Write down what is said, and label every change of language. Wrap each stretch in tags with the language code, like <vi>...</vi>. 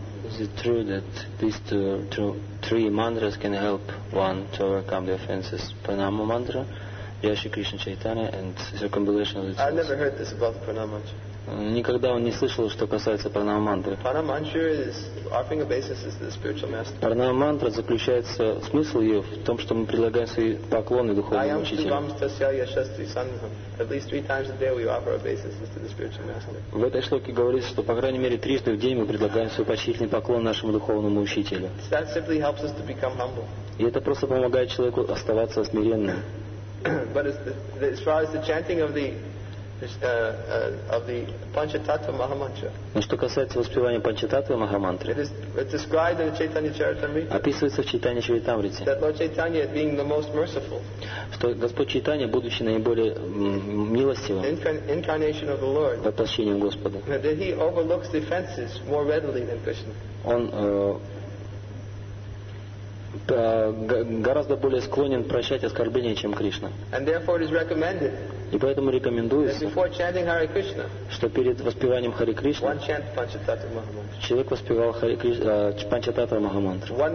<en>Is it true that these three mantras can help one to overcome the offenses? Pranama mantra, Vyasa Krishna Chaitanya, and circumambulation of the tools. I've never heard this about pranama mantra.</en> <ru>Никогда он не слышал, что касается пранама мантры.</ru> <en>Pranama mantra is offering a basis to the spiritual master.</en> <ru>Pranama mantra заключается смысл ее в том, что мы предлагаем свои поклоны духовному учителю. I am Sri Ramastasya Yashasri Sandham.</ru> <en>At least three times a day we offer our obeisances to the spiritual master.</en> <ru>В этой шлоке говорится, что по крайней мере трижды в день мы предлагаем свой почтительный поклон нашему духовному учителю.</ru> <en>That simply helps us to become humble.</en> <ru>И это просто помогает человеку оставаться смиренным.</ru> <en>But as far as the chanting of the Panchatattva Mahamantra.</en> <ru>Но что касается воспевания Панчататвы Махамантры,</ru> <en>it's described in the Chaitanya Charitamrita.</en> <ru>Описывается в Чайтанья Чаритамрите.</ru> <en>That Lord Chaitanya, being the most merciful.</en> <ru>Что Господь Чайтанья, будучи наиболее милостивым,</ru> <en>incarnation of the Lord.</en> <ru>Воплощение Господа.</ru> <en>That he overlooks the offenses more readily than Krishna.</en> <ru>Он гораздо более склонен прощать оскорбления, чем Кришна.</ru> <en>And therefore it is recommended.</en> <ru>И поэтому рекомендуется, что перед воспеванием Харе Кришны человек воспевал Панчататва Махамантру.</ru>